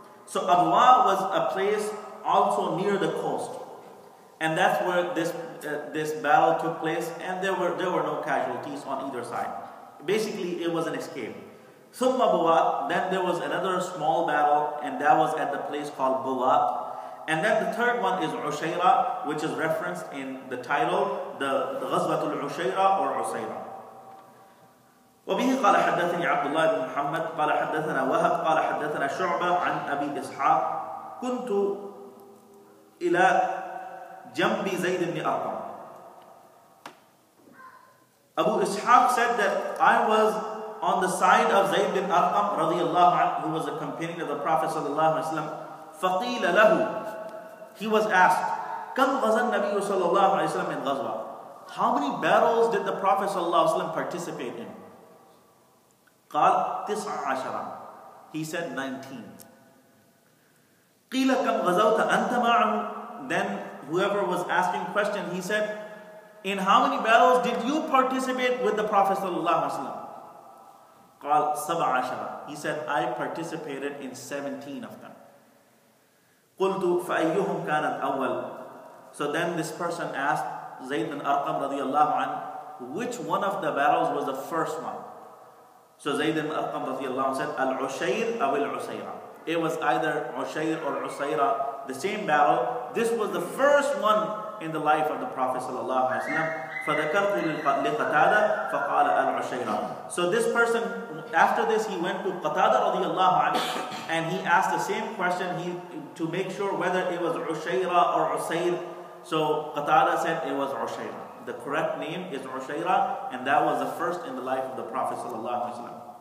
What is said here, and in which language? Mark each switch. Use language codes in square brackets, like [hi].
[en] So Abwa was a place also near the coast, and that's where this battle took place, and there were no casualties on either side. Basically, it was an escape. Thumma Buwa, then there was another small battle, and that was at the place called Buwa. And then the third one is Ushayra, which is referenced in the title, the Ghazwatul Ushayra or Ushayra. [ar] وبه قال حدثني عبد الله بن محمد قال حدثنا وهب قال حدثنا شعبة عن أبي إسحاق كنت إلى جنب زيد بن أرقم. [en] Abu Ishaq said that I was on the side of Zayd bin Arqam رضي الله عنه, who was a companion of the Prophet صلى الله عليه وسلم. [ar] فقيل له, [en] he was asked, [ar] كم غزا النبي صلى الله عليه وسلم من غزوة, [en] how many battles did the Prophet صلى الله عليه وسلم participate in? [ar] قال تسعة عشرة, [en] he said 19. [ar] قيل كم غزوت أنت معه, [en] then whoever was asking question, he said, in how many battles did you participate with the Prophet صلى الله عليه وسلم? [ar] قال سبعة عشرة, [en] he said, I participated in 17 of them. [ar] قلت فأيهم كان الأول, [en] so then this person asked زيد بن أرقم رضي الله عنه, which one of the battles was the first one? So Zayd ibn Arqam radiyallahu anhu said, Al-Ushayr aw Al-Usayra. It was either Ushayr or Usayra, the same battle. This was the first one in the life of the Prophet sallallahu alayhi wa sallam. [ar] فَذَكَرْتُ لِقَتَادَ فَقَالَ Al-Ushayra. [en] So this person, after this, he went to Qatada radiyallahu anhu, and he asked the same question to make sure whether it was Ushayra or Usayr. So Qatada said it was Ushayra. The correct name is Ushayra, and that was the first in the life of the Prophet sallallahu alaihi wasallam.